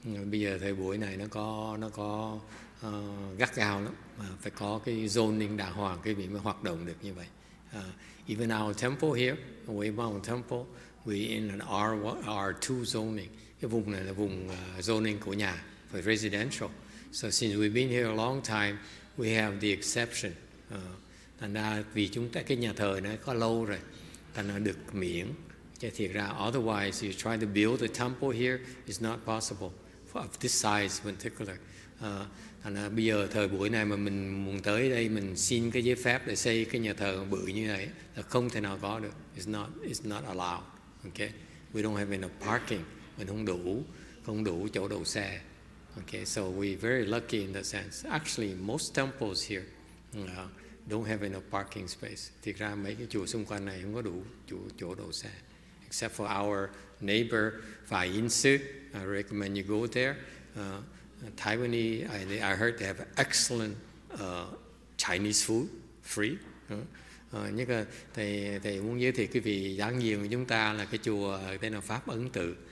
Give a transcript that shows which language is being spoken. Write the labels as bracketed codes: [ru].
[vi] Bây giờ thời buổi này nó có gắt gao lắm, phải có cái zoning đàng hoàng cái việc mới hoạt động được như vậy. [en] Even our temple here, we mount temple, we in an R2 zoning. [vi] Cái vùng này là vùng zoning của nhà, [en] for residential. So since we've been here a long time, we have the exception. [vi] Thành ra vì chúng ta cái nhà thờ nó có lâu rồi, thành ra được miễn. Thiệt ra, [en] otherwise, you try to build a temple here, it's not possible, of this size in particular. [vi] Thành ra, bây giờ, thời buổi này mà mình muốn tới đây, mình xin cái giấy phép để xây cái nhà thờ bự như này, là không thể nào có được. [en] It's not allowed. Okay? We don't have enough parking. [vi] Mình không đủ chỗ đậu xe. Okay? [en] So we're very lucky in that sense. Actually, most temples here don't have enough parking space. [vi] Thiệt ra, mấy cái chùa xung quanh này không có đủ chỗ đậu xe. [en] Except for our neighbor, Phai Yin Sư, I recommend you go there. Taiwanese, I heard they have excellent Chinese food, free. [vi] Nhưng mà thầy muốn giới thiệu quý vị giảng viên của chúng ta là cái chùa tên là Pháp Ấn Tự.